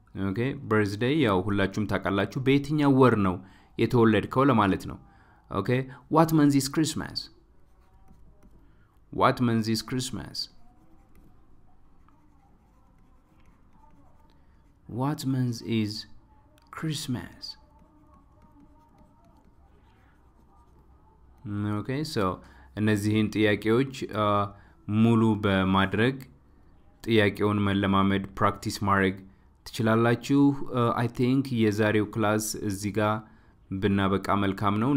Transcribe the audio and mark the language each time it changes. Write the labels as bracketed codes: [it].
[en] Okay, birthday, [am] ያው ሁላችሁም ታቃላችሁ በየትኛው ወር ነው የተወለድከው ለማለት ነው. [en] Okay, what month is Christmas? What month is Christmas? What month is Christmas? Okay, so [am] እነዚህን ጥያቄዎች ሙሉ በማድረግ ጥያቄውን መለማመድ practice ማድረግ ትችላላችሁ. [en] I think [am] የዛሬው ክላስ እዚህ ጋር ብናበቃ መልካም ነው.